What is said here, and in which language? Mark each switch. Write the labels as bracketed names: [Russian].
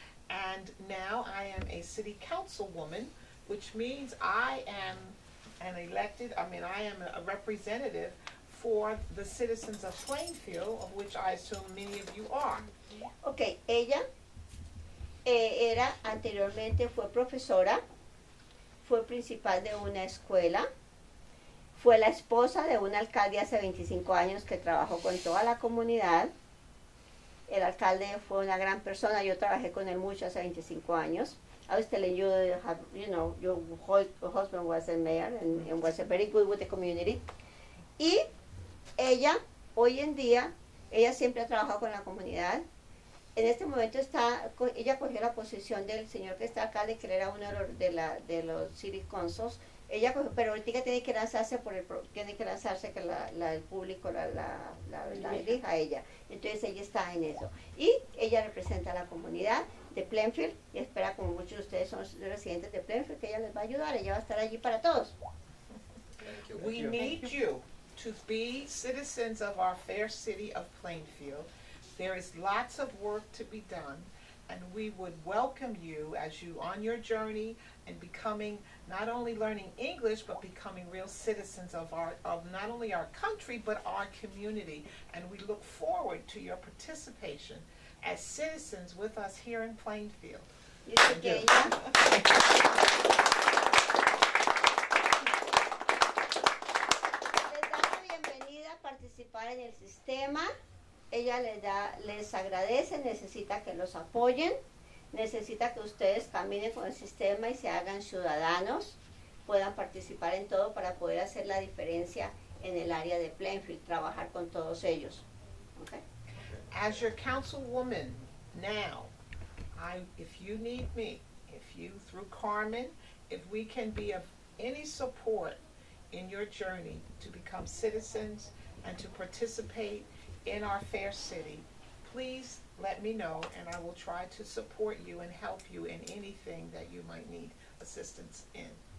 [English] And now I am a city councilwoman, which means I am a representative for the citizens of Plainfield, of which I assume many of you are. [Spanish] Okay, ella era anteriormente fue profesora, fue principal de una escuela, fue la esposa de un alcalde hace 25 años que trabajó con toda la comunidad. El alcalde fue una gran persona, yo trabajé con él mucho hace 25 años. [English] I was telling you, your husband was the mayor and was very good with the community. [Spanish] Y ella, hoy en día, ella siempre ha trabajado con la comunidad. En este momento ella cogió la posición del señor que está alcalde, que era uno de los city councils. Ella cogió, pero ahorita tiene que lanzarse que el público la elija a ella. Entonces ella está en eso. Y ella representa a la comunidad de Plainfield y espera, como muchos de ustedes son residentes de Plainfield, que ella les va a ayudar. Ella va a estar allí para todos. [English] We need you to be citizens of our fair city of Plainfield. There is lots of work to be done. And we would welcome you as you on your journey and becoming not only learning English but becoming real citizens of not only our country but our community. And we look forward to your participation as citizens with us here in Plainfield. Thank you. [Spanish] Les da la bienvenida a participar en el sistema. Ella les agradece, necesita que los apoyen, necesita que ustedes caminen con el sistema y se hagan ciudadanos, puedan participar en todo para poder hacer la diferencia en el área de Plainfield, trabajar con todos ellos. [English] Okay. As your councilwoman now, if you need me, if you through Carmen, if we can be of any support in your journey to become citizens and to participate in our fair city, please let me know and I will try to support you and help you in anything that you might need assistance in.